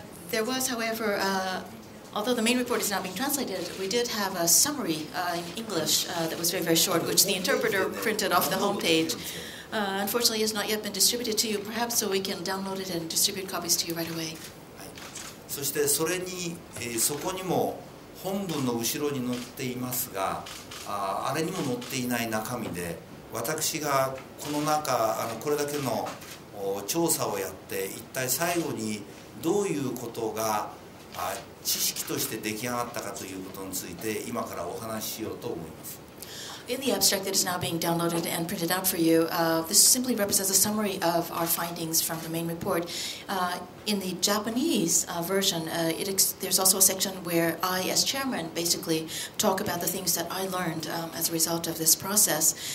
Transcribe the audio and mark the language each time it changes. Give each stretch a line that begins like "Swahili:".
English: There was, however, although the main report is not being translated, we did have a summary in English that was very, very short, which the interpreter printed off the homepage. Unfortunately, it has not yet been distributed to you, perhaps so we can download it and distribute copies to you right away.
Japanese: そしてそれに、そこにも本文の後ろに載っていますが、あれにも載っていない中身で、私がこの中、これだけの調査をやって、一体最後にどういうことが知識として出来上がったかということについて、今からお話ししようと思います。
English: In the abstract that is now being downloaded and printed out for you, this simply represents a summary of our findings from the main report. In the Japanese version, there's also a section where I, as chairman, basically talk about the things that I learned as a result of this process.